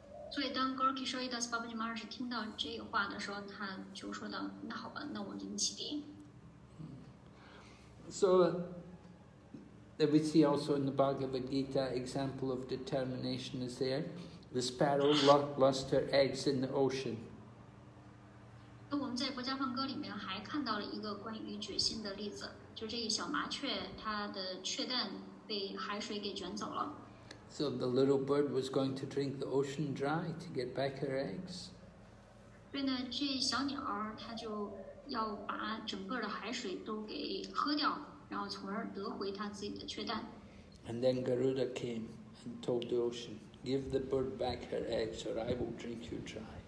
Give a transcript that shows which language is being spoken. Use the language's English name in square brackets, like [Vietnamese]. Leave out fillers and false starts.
[Chinese] 所以当 Gaurakishore Das Babaji Maharaj 听到这个话的时候，他就说道，那好吧，那我给你起立。 [English] So, we see also in the Bhagavad Gita, example of determination is there. The sparrow lost her eggs in the ocean. [Chinese] 我们在国家梵歌里面还看到了一个关于决心的例子，就这个小麻雀，它的雀蛋被海水给卷走了。 [English] So the little bird was going to drink the ocean dry to get back her eggs. [Chinese] 对呢，这小鸟儿它就要把整个的海水都给喝掉，然后从而得回它自己的雀蛋。 [English] And then Garuda came and told the ocean, "Give the bird back her eggs, or I will drink you dry."